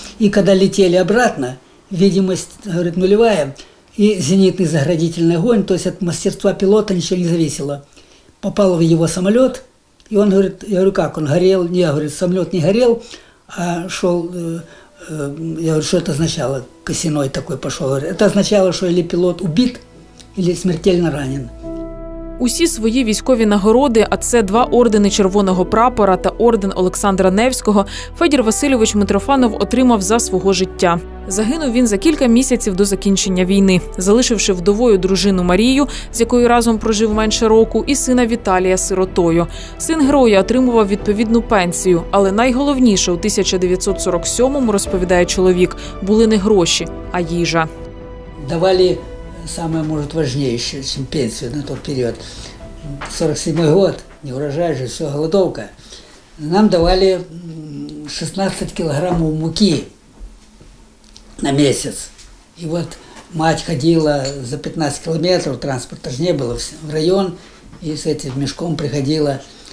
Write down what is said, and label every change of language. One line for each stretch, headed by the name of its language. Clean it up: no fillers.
Russian: И когда летели обратно, видимость, говорит, нулевая, и зенитный заградительный огонь, то есть от мастерства пилота ничего не зависело. Попал в его самолет, и он, говорит, я говорю, как, он горел? Не, я говорю, самолет не горел, а шел... Я говорю, что это означало, косиной такой пошел. Это означало, что или пилот убит, или смертельно ранен.
Ukrainian: Усі свої військові нагороди, а це два ордени Червоного прапора та орден Олександра Невського, Федір Васильович Митрофанов отримав за свого життя. Загинув він за кілька місяців до закінчення війни, залишивши вдовою дружину Марію, з якою разом прожив менше року, і сина Віталія сиротою. Син героя отримував відповідну пенсію, але найголовніше у 1947-му, розповідає чоловік, були не гроші, а їжа.
Russian: Давали самое, может, важнейшее, чем пенсию на тот период. 47-й год, не урожай же, все, голодовка. Нам давали 16 килограммов муки на месяц. И вот мать ходила за 15 километров, транспорта же не было, в район, и с этим мешком приходила.